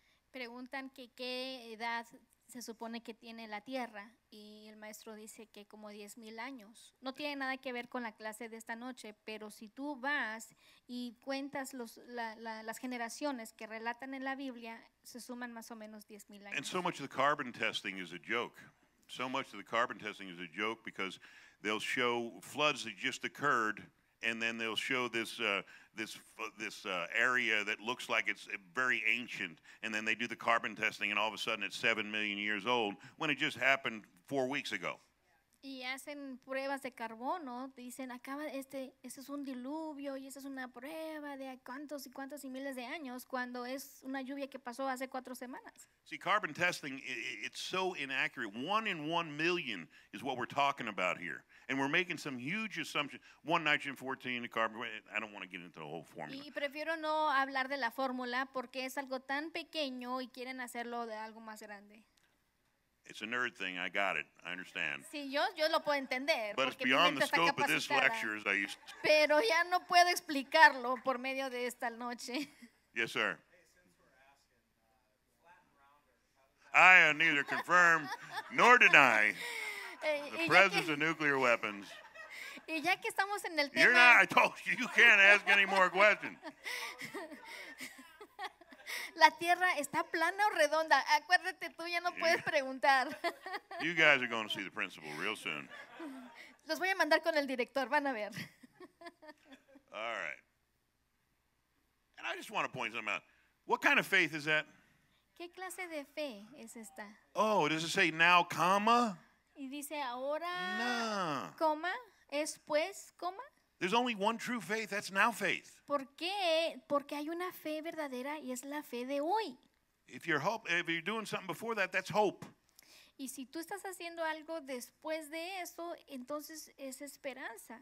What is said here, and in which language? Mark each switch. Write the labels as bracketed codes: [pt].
[es] Preguntan que qué edad se supone que tiene la tierra. Y el maestro dice que como 10,000 años. No tiene nada que ver con la clase de esta noche, pero si tú vas y cuentas las generaciones que relatan en la Biblia, se suman más o menos 10,000 años. [en] And so much of the carbon testing is a joke. So much of the carbon testing is a joke because they'll show floods that just occurred, and then they'll show this area that looks like it's very ancient, and then they do the carbon testing, and all of a sudden it's 7 million years old when it just happened 4 weeks ago. [es] Y hacen pruebas de carbono, dicen acaba este es un diluvio y esa es una prueba de cuántos y miles de años cuando es una lluvia que pasó hace 4 semanas. [en] See, carbon testing, it's so inaccurate. 1 in 1 million is what we're talking about here. And we're making some huge assumptions. 1 nitrogen 14, the carbon, I don't want to get into the whole formula. [es] Y prefiero no hablar de la fórmula porque es algo tan pequeño y quieren hacerlo de algo más grande. [en] It's a nerd thing, I got it, I understand. [es] Sí, yo lo puedo entender. [en] But it's beyond the scope of this lecture, as I used to. [es] Pero ya no puedo explicarlo por medio de esta noche. [en] Yes, sir. I neither confirm nor deny the presence of nuclear weapons. [es] Y ya que estamos en el tema, [en] you're not, I told you, you can't ask any more questions. [es] La tierra está plana o redonda. Acuérdate, tú ya no puedes preguntar. [en] You guys are going to see the principal real soon. [es] Los voy a mandar con el director, van a ver. [en] All right. And I just want to point something out. What kind of faith is that? [es] ¿Qué clase de fe es esta? [en] Oh, does it say now, comma? [es] Y dice ahora, [en] nah. [es] Coma, es pues, coma. [en] There's only one true faith, that's now faith. [es] ¿Por qué? Porque hay una fe verdadera y es la fe de hoy. [en] If you're doing something before that, that's hope. [es] Y si tú estás haciendo algo después de eso, entonces es esperanza.